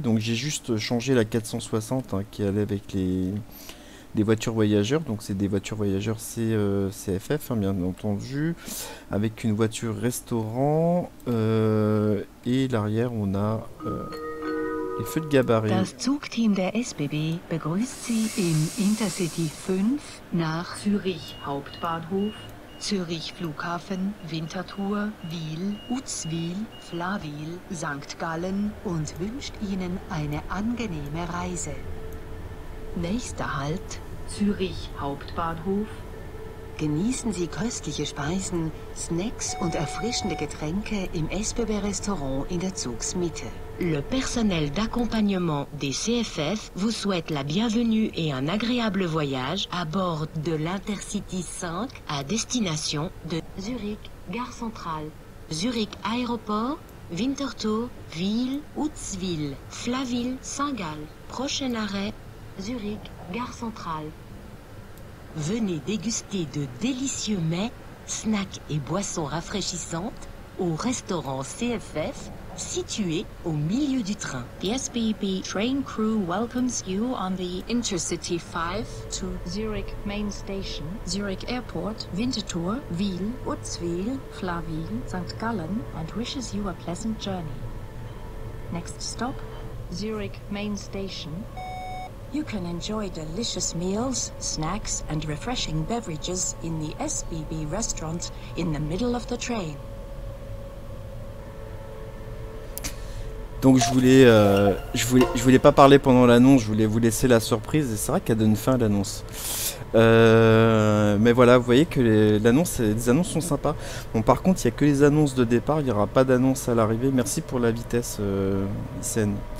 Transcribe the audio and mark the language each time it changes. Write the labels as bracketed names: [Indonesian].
[French] Donc j'ai juste changé la 460, hein, qui allait avec les voitures voyageurs. Donc c'est des voitures voyageurs CFF, hein, bien entendu, avec une voiture restaurant. Et l'arrière on a les feux de gabarit. [German] Das Zugteam der SBB begrüßt Sie im Intercity 5 nach Zürich Hauptbahnhof, Zürich Flughafen, Winterthur, Wiel, Uzwil, Flawil, St. Gallen und wünscht Ihnen eine angenehme Reise. Nächster Halt, Zürich Hauptbahnhof. Genießen Sie köstliche Speisen, Snacks und erfrischende Getränke im SBB-Restaurant in der Zugsmitte. [French] Le personnel d'accompagnement des CFF vous souhaite la bienvenue et un agréable voyage à bord de l'Intercity 5 à destination de Zurich, Gare Centrale, Zurich Aéroport, Winterthur, Wiel, Uzwil, Flawil, Saint-Gall. Prochain arrêt, Zurich, Gare Centrale. Venez déguster de délicieux mets, snacks et boissons rafraîchissantes au restaurant CFF situé au milieu du train. [English] The SBB train crew welcomes you on the Intercity 5 to Zurich Main Station, Zurich Airport, Winterthur, Wiel, Uzwil, Flawil, St. Gallen and wishes you a pleasant journey. Next stop, Zurich Main Station. You can enjoy delicious meals, snacks, and refreshing beverages in the SBB restaurant in the middle of the train. [French] Donc je voulais pas parler pendant l'annonce, je voulais vous laisser la surprise, et c'est vrai qu'elle donne fin à l'annonce. Mais voilà, vous voyez que les annonces sont sympas. Bon, par contre, il n'y a que les annonces de départ, il n'y aura pas d'annonce à l'arrivée. Merci pour la vitesse, Sen.